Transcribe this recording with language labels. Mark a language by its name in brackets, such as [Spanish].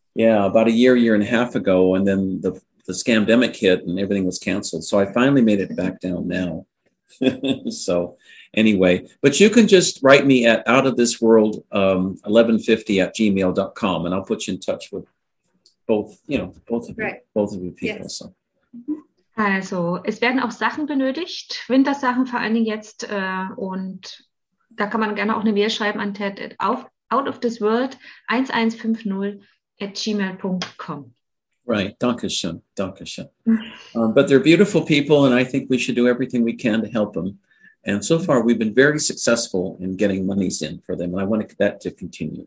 [English] about a year and a half ago, and then the scamdemic hit and everything was canceled. So I finally made it back down now. So anyway, but you can just write me at outofthisworld 1150@gmail.com, and I'll put you in touch with both of you people. Yes. So. [German] Also, es werden auch Sachen benötigt, Wintersachen vor allen Dingen jetzt, und da kann man gerne auch eine Mail schreiben an Ted at outofthisworld1150@gmail.com. Right, danke schön. [English] But they're beautiful people, and I think we should do everything we can to help them. And so far, we've been very successful in getting monies in for them, and I want that to continue.